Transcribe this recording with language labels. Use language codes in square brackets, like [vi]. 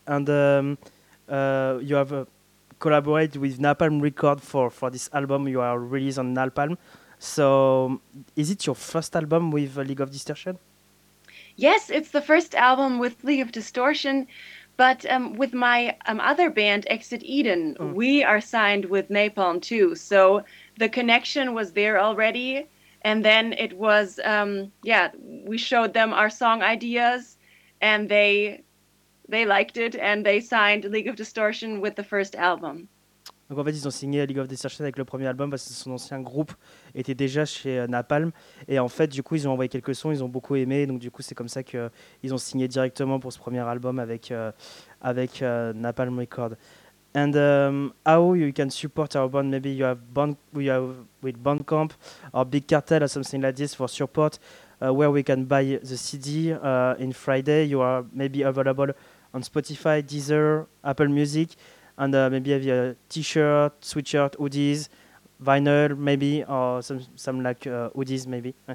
[en] And you have collaborated with Napalm Record for this album you are released on Napalm. So is it your first album with League of Distortion? Yes, it's the first album with League of Distortion. But with my other band, Exit Eden, We are signed with Napalm too. So the connection was there already. And then it was, we showed them our song ideas and they liked it and they signed League of Distortion with the first album. [fr] Donc en fait, ils ont signé League of Distortion avec le premier album parce que son ancien groupe était déjà chez Napalm. Et en fait, du coup, ils ont envoyé quelques sons, ils ont beaucoup aimé. Donc du coup, c'est comme ça qu'ils ont signé directement pour ce premier album avec Napalm Records. [en] And how you can support our band? Maybe you have with Bandcamp or Big Cartel or something like this for support, where we can buy the CD in Friday. You are maybe available on Spotify, Deezer, Apple Music, and maybe have your T-shirt, sweatshirt, hoodies, vinyl, maybe, or some like hoodies, maybe.